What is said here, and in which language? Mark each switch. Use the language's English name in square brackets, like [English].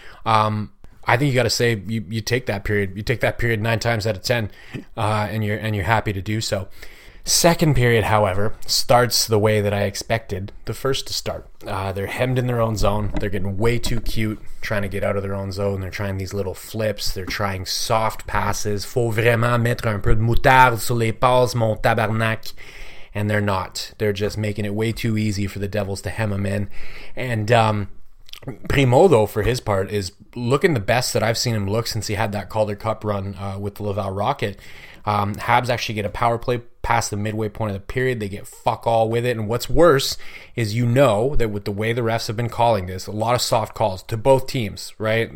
[English] I think you got to say you take that period. You take that period 9 times out of 10, and you're happy to do so. Second period, however, starts the way that I expected the first to start. They're hemmed in their own zone. They're getting way too cute trying to get out of their own zone. They're trying these little flips. They're trying soft passes. [French] Faut vraiment mettre un peu de moutarde sur les passes, mon tabarnak. [English] And they're not. They're just making it way too easy for the Devils to hem them in. And Primeau, though, for his part, is looking the best that I've seen him look since he had that Calder Cup run with the Laval Rocket. Habs actually get a power play past the midway point of the period. They get fuck all with it. And what's worse is, you know, that with the way the refs have been calling this, a lot of soft calls to both teams, right?